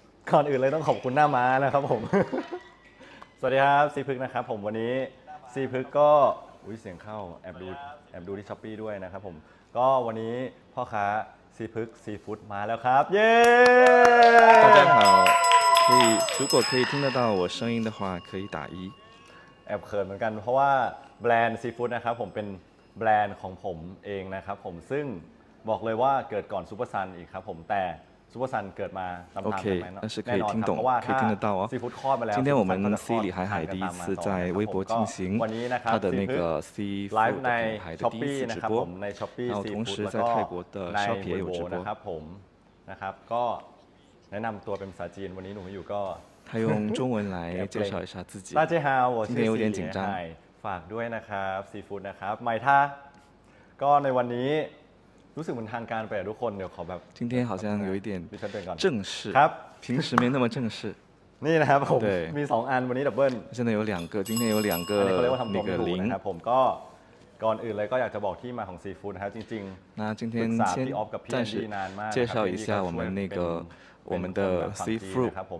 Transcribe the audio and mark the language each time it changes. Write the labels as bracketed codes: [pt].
[th] ก่อนอื่นเลยต้องขอบคุณหน้าม้านะครับผมสวัสดีครับซีพึกนะครับผมวันนี้ซีพึกก็อุ้ยเสียงเข้าแอบดูที่ช้อปปี้ด้วยนะครับผมก็วันนี้พ่อค้าซีพึกซีฟู้ดมาแล้วครับเย้ [zh] 大家好可以如果可以听得到我声音的话可以打一 [th] แอบเขินเหมือนกันเพราะว่าแบรนด์ซีฟู้ดนะครับผมเป็นแบรนด์ของผมเองนะครับผมซึ่งบอกเลยว่าเกิดก่อนซูเปอร์ซันอีกครับผมแต่苏波桑เกิดมาตามๆ [zh] okay, [th] ได้มั้ยเนาะ [zh] 那是可以听懂可以听得到啊 [th] ซีฟู้ดคลอดมาแล้ว [zh] 今天我们ซีหลี่海海第一次在微博进行 [th] วันนี้นะครับ ซีฟู้ดไลฟ์ ใน Shopee นะครับ ผมใน Shopee ซีฟู้ดแล้วก็ใน Shopee นะครับผมนะครับก็แนะนำตัวเป็นภาษาจีนวันนี้หนูอยู่ก็ [zh] 他用中文来介绍一下自己大家好我是有点紧张 [th] ฝากด้วยนะครับซีฟู้ดนะครับไมท่าก็ในวันนี้รู้สึกเหมือนทางการไปทุกคนเดี๋ยวขอแบบ [zh] 今天好像有一点正式 [th] ครับ [zh] 平时没那么正式 [th] นี่นะครับผมมี2อันวันนี้ดับเบิ้ล [zh] 现在有两个今天有两个那个零 [th] ครับผมก็ก่อนอื่นเลยก็อยากจะบอกที่มาของซีฟู้ดนะครับจริง [zh] ๆ那今天先暂时介绍一下我们那个我们的 seafood